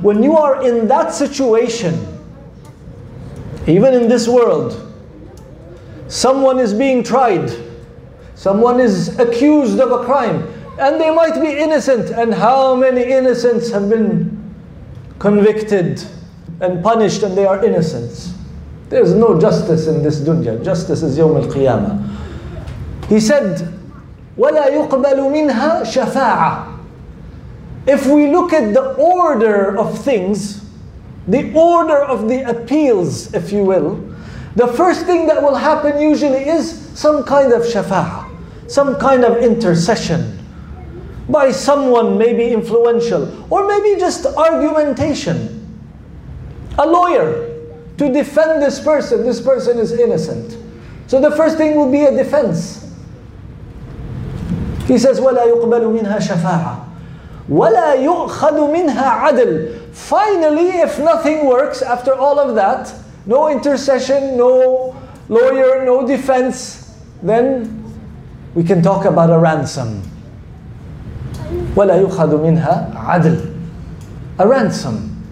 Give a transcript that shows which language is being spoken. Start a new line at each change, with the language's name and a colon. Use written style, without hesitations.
English: When you are in that situation, even in this world, someone is being tried, someone is accused of a crime, and they might be innocent. And how many innocents have been convicted and punished and they are innocents? There's no justice in this dunya. Justice is Yawm al-Qiyamah. He said,
Arabic: وَلَا يُقْبَلُ مِنْهَا شَفَاعَةً.
English: If we look at the order of things, the order of the appeals, if you will, the first thing that will happen usually is some kind of shafa'ah, some kind of intercession by someone maybe influential, or maybe just argumentation. A lawyer to defend this person. This person is innocent. So the first thing will be a defense. He says,
Arabic: وَلَا يُقْبَلُ مِنْهَا شَفَاعَةً وَلَا يُؤْخَذُ مِنْهَا عَدْلٌ.
English: Finally, if nothing works after all of that, no intercession, no lawyer, no defense, then we can talk about a ransom.
Arabic: وَلَا يُخَذُ مِنْهَا عَدْلٌ.
English: A ransom.